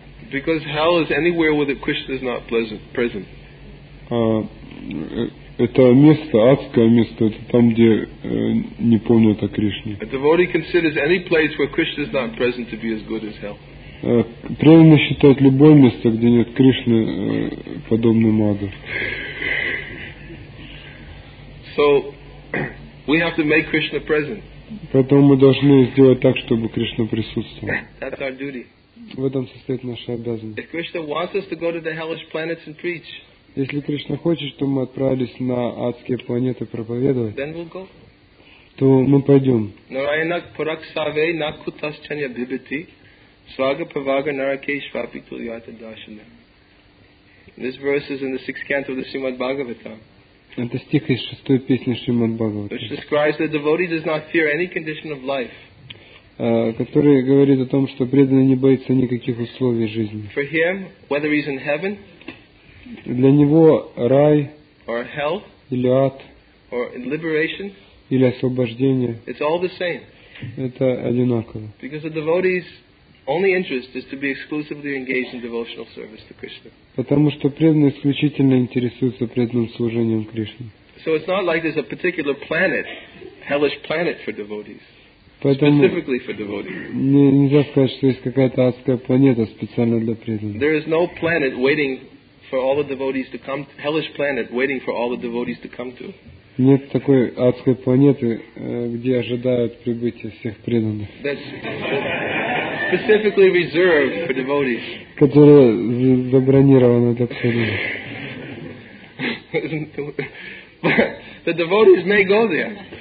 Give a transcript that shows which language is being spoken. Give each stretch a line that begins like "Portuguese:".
English: because hell is anywhere where Krishna is not present.
Russian: Это место, адское место, это там, где не помнят о Кришне.
English: A devotee considers any place where Krishna is not present to be as good as hell.
Russian: Преданный считает любое место, где нет Кришны, подобным аду.
English: So we have to make Krishna present.
Russian: Поэтому мы должны сделать так, чтобы Кришна присутствовал.
English: That's our duty.
Russian: В этом состоит наша обязанность.
English: If Krishna wants us to go to the hellish planets and preach,
Russian: если Кришна хочет, чтобы мы отправились на адские планеты проповедовать,
English: then we'll go.
Russian: То мы пойдем.
Sanskrit: Narayana Parakshave Nakutaschanya Bibhati Svaga Pravaga Narakeshvapi Tulyata Dashana.
English: This verse is in the sixth canto of the Srimad Bhagavatam.
Russian: Это стих из шестой песни Шримад Бхагаватам.
English: Which describes that the devotee does not fear any condition of life.
Russian: Который говорит о том, что преданный не боится никаких условий жизни.
English: For him, whether he's in heaven,
Russian: для него рай,
English: or hell,
Russian: или ад,
English: or liberation,
Russian: или освобождение,
English: it's all the same.
Russian: Это одинаково.
English: Because the devotee's only interest is to be exclusively engaged in devotional service to Krishna.
Russian: Потому что преданный исключительно интересуется преданным служением Кришне.
English: So it's not like there's a particular planet, hellish planet for devotees.
Russian: Поэтому
English: specifically for devotees.
Russian: Нельзя сказать, что есть какая-то адская планета специально для преданных.
English: There is no planet waiting for all the devotees to come. Hellish planet waiting for all the devotees to come to.
Russian: Нет такой адской планеты, где ожидают прибытия всех преданных.
English: That's specifically reserved for devotees.
Russian: Которая забронирована для преданных.
English: The devotees may go there.